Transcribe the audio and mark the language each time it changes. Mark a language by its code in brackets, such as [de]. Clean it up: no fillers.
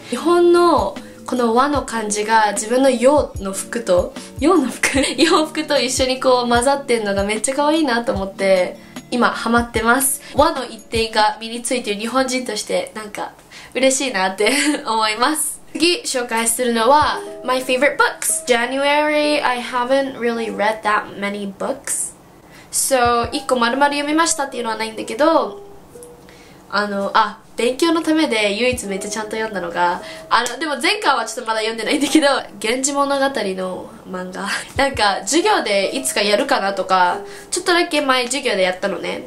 [ja] 日本のこの和の感じが自分の洋服と一緒にこう混ざってんのがめっちゃ可愛いなと思って今ハマってます。和の一点が身についている日本人としてなんか嬉しいなって思います。次紹介するのは [en] My favorite books。 January I haven't really read that many books。 [ja] So 一個丸々読みましたっていうのはないんだけど、勉強のためで唯一めっちゃちゃんと読んだのが、あのでも前回はちょっとまだ読んでないんだけど、源氏物語の漫画なんか授業でいつかやるかなとか、ちょっとだけ前授業でやったのね。